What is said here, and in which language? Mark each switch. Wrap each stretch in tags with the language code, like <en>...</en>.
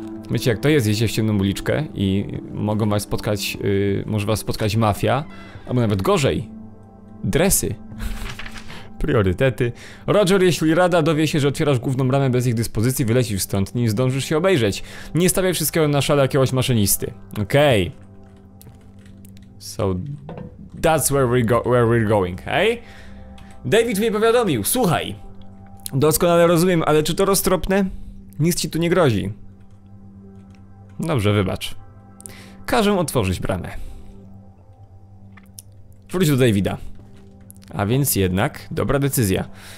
<pl>Wiecie jak to jest, idziecie w ciemną uliczkę i mogą was spotkać, może was spotkać mafia. Albo nawet gorzej. Dresy. Priorytety. Roger, jeśli rada dowie się, że otwierasz główną bramę bez ich dyspozycji, wylecisz stąd, nie zdążysz się obejrzeć. Nie stawiaj wszystkiego na szale jakiegoś maszynisty. Okej.</pl> <en>So, that's where we're going, hej?</en> <pl>David mnie powiadomił, słuchaj. Doskonale rozumiem, ale czy to roztropne? Nic ci tu nie grozi. Dobrze, wybacz. Każę otworzyć bramę. Wróć do Davida. A więc jednak, dobra decyzja.</pl>